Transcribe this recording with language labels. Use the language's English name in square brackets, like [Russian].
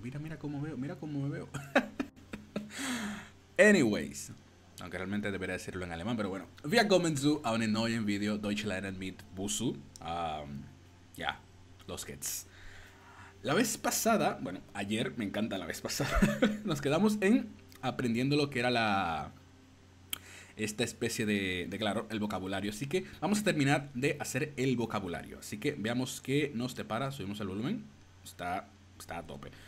[Spanish] Mira, mira cómo veo, mira cómo me veo. Anyways, aunque realmente debería decirlo en alemán, pero bueno. [German] Wir kommen zu einem neuen Video, Deutschland mit Busu. [Spanish] Ya, los kids. La vez pasada, bueno, ayer, me encanta la vez pasada, nos quedamos en aprendiendo lo que era la. Esta especie de claro, el vocabulario. Así que vamos a terminar de hacer el vocabulario. Así que veamos qué nos depara. Subimos el volumen. Está a tope.